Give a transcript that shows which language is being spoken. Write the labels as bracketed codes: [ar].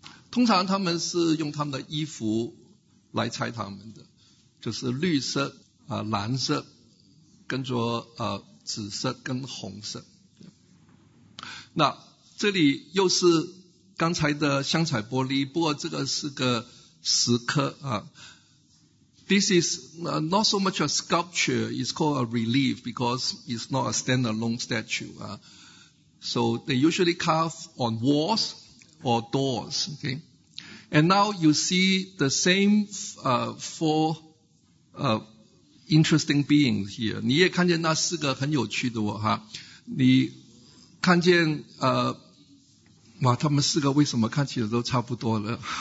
[zh] 通常他们是用他们的衣服来猜他们的，就是绿色、蓝色，跟着紫色跟红色。那这里又是刚才的镶彩玻璃，不过这个是个石刻啊。 [en] This is not so much a sculpture, it's called a relief because it's not a standalone statue 啊。 So they usually carve on walls or doors, okay? And now you see the same four interesting beings here. [zh] 你也看见那四个很有趣的哈，你看见哇，他们四个为什么看起来都差不多了？